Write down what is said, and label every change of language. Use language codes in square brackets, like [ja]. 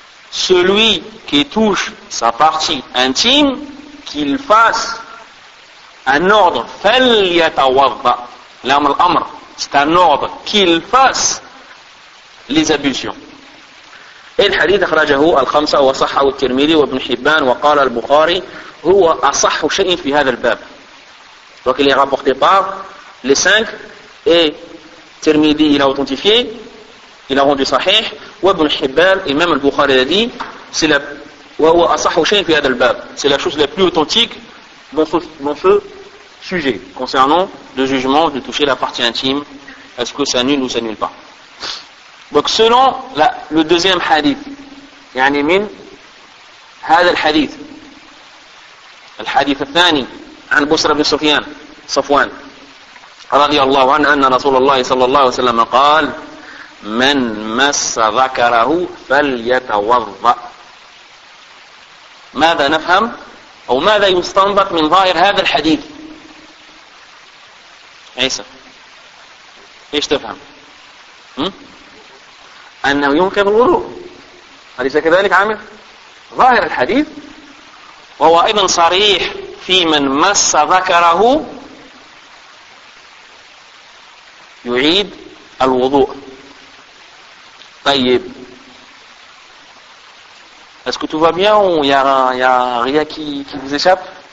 [fr] Celui qui touche sa partie intime, qu'il fasse un ordre. Falyatawadda. L'amr al-amr, c'est un ordre, qu'il fasse les ablutions. Et le hadith [ar] أخرجه الخمسة وصححه الترمذي وابن حبان وقال البخاري هو أصح شيء في هذا الباب. [fr] Donc il est rapporté par les cinq et Tirmidhi il a authentifié, il a rendu sahih, وابن حبان et même البخاري a dit c'est la [ar] وهو أصح شيء في هذا الباب, [fr] c'est la chose la plus authentique dans ce sujet concernant le jugement de toucher la partie intime, est-ce que ça annule ou ça annule pas. Donc selon le deuxième hadith, [ar] يعني من هذا الحديث, الحديث الثاني عن بصر بن سفيان صفوان رضي الله عنه أن رسول الله صلى الله عليه وسلم قال من مس ذكره فليتوضأ. ماذا نفهم أو ماذا يستنبط من ظاهر هذا الحديث عيسى؟ إيش تفهم؟ أنه ينقض الوضوء, أليس كذلك عامر؟ ظاهر الحديث وهو أيضا صريح في من مس ذكره يعيد الوضوء. [fr] طيب est-ce que tout va bien ou y a rien qui vous échappe?